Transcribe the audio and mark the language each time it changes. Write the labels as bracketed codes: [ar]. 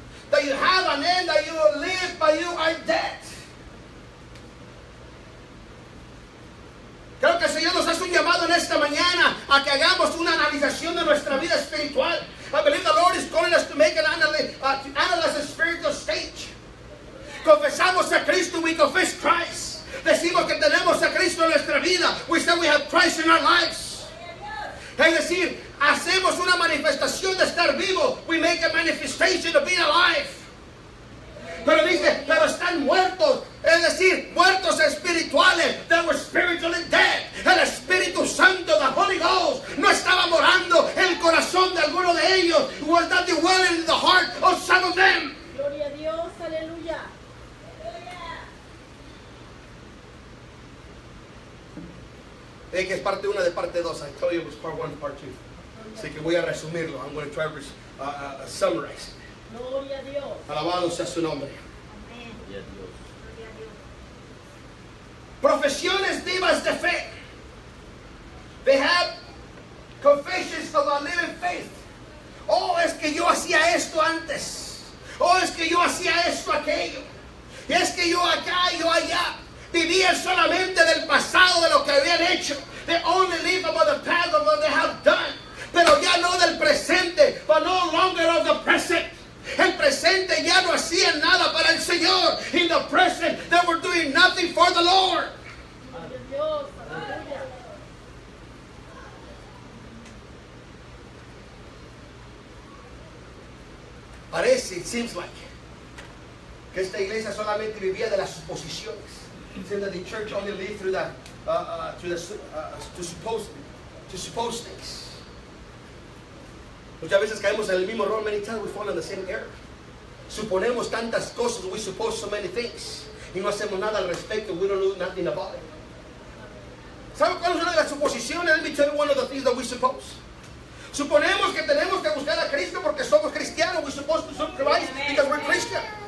[en] That you have a name, that you live, but you are dead. [es] Creo que el Señor nos hace un llamado en esta mañana a que hagamos una analización de nuestra vida espiritual. [en] I believe the Lord is calling us to make an analysis of spiritual state. [es] Confesamos a Cristo, [en] we confess Christ. [es] Decimos que tenemos a Cristo en nuestra vida. [en] We say we have Christ in our lives. [es] Es decir, hacemos una manifestación de estar vivo. [en] We make a manifestation of being alive. [es] Pero dice, pero están muertos. Es decir, muertos espirituales. [en] They were spiritually dead. [es] El Espíritu Santo, [en] the Holy Ghost, [es] no estaba morando en el corazón de alguno de ellos. [en] Was not dwelling in the heart of some of them. [es] Gloria a Dios, aleluya. Que es parte 1 de parte 2. [en] I told you it was part 1 and part 2. [es] Así que voy a resumirlo. [en] I'm going to try to summarize. [es] Gloria a Dios. Alabado sea su nombre. Amén. Gloria a Dios. Gloria a Dios. Profesiones vivas de fe. [en] They have confessions of a living faith. [es] Oh, es que yo hacía esto antes. Oh, es que yo hacía esto aquello. Y es que yo acá, yo allá. Vivían solamente del pasado, de lo que habían hecho. [en] They only live about the past of what they have done. [es] Pero ya no del presente, [en] but no longer of the present. [es] El presente ya no hacía nada para el Señor. [en] In the present, they were doing nothing for the Lord. [es] Parece, [en] it seems like, [es] que esta iglesia solamente vivía de las suposiciones. [en] He said that the church only lived through that, to suppose things. [es] Muchas veces caemos en el mismo error. [en] Many times we fall in the same error. [es] Suponemos tantas cosas. [en] We suppose so many things. [es] Y no hacemos nada al respecto. [en] We don't do nothing about it. [es] ¿Sabe cuál es una de las suposiciones? [en] Let me tell you one of the things that we suppose. [es] Suponemos que tenemos que buscar a Cristo porque somos cristianos. [en] We suppose to serve Christ because we're Christian.